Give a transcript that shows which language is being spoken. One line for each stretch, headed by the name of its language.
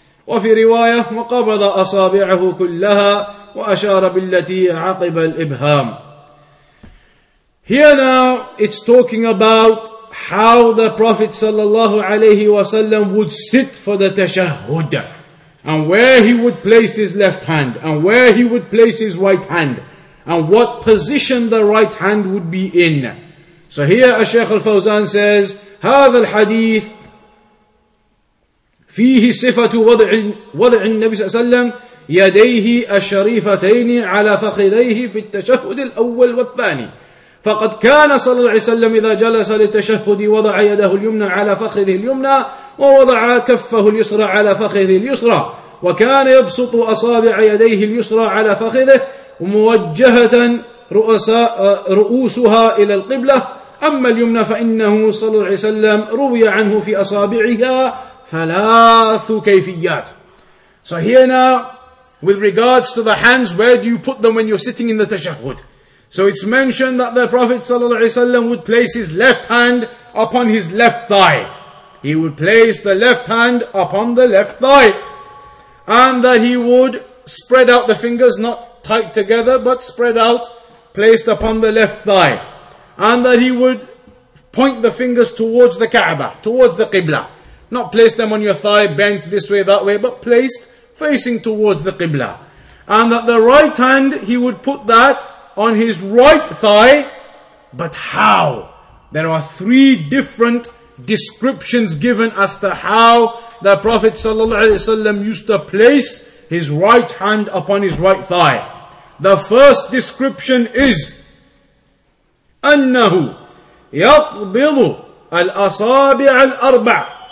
Arabic: وفي رواية وقبض أصابعه كلها وأشار بالتي عقب الإبهام.
English: Here now it's talking about how the Prophet sallallahu alayhi wasallam would sit for the tashahhud, and where he would place his left hand and where he would place his right hand and what position the right hand would be in. So here Ash-Shaykh al-Fawzan says,
Arabic: هذا الحديث فيه صفة وضع النبي صلى الله عليه وسلم يديه الشريفتين على فخذيه في التشهد الأول والثاني. فقد كان صلى الله عليه وسلم إذا جلس للتشهد وضع يده اليمنى على فخذه اليمنى ووضع كفه اليسرى على فخذه اليسرى وكان يبسط أصابع يديه اليسرى على فخذه وموجهة رؤوسها إلى القبلة أما اليمنى فإنه صلى الله عليه وسلم روي عنه في أصابعها ثلاث كيفيات.
English: So here now, with regards to the hands, where do you put them when you're sitting in the tashahud? So it's mentioned that the Prophet ﷺ would place his left hand upon his left thigh. He would place the left hand upon the left thigh. And that he would spread out the fingers, not tight together, but spread out, placed upon the left thigh. And that he would point the fingers towards the Kaaba, towards the Qibla. Not place them on your thigh, bent this way, that way, but placed facing towards the Qibla. And that the right hand, he would put that on his right thigh. But how? There are three different descriptions given as to how the Prophet ﷺ used to place his right hand upon his right thigh. The first description is,
Arabic: أنه يقبض الأصابع الأربع.